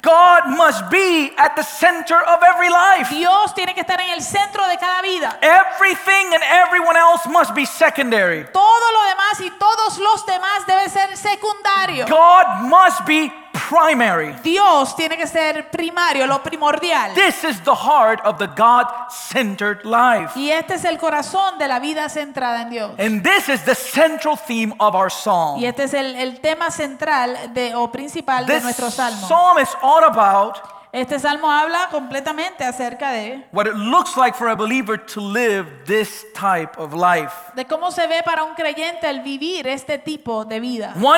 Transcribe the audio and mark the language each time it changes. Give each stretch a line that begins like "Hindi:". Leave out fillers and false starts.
English: God must be at the center of every life.
Spanish: Dios tiene que estar en el centro de cada vida.
English: Everything and everyone else must be secondary.
Spanish: Todo lo demás y todos los demás deben ser secundarios.
English: God must be primary.
Spanish: Dios tiene que ser primario, lo primordial.
English: This is the heart of the God-centered life.
Spanish: Y este es el corazón de la vida centrada en Dios.
English: And this is the central theme of our psalm.
Spanish: Y este es el tema central de o principal
English: this
Spanish: de nuestro salmo.
English: Psalm is all about
Spanish: este salmo habla completamente acerca de
English: what it looks like for a believer to live this type of life.
Spanish: De cómo se ve para un creyente el vivir este tipo de vida.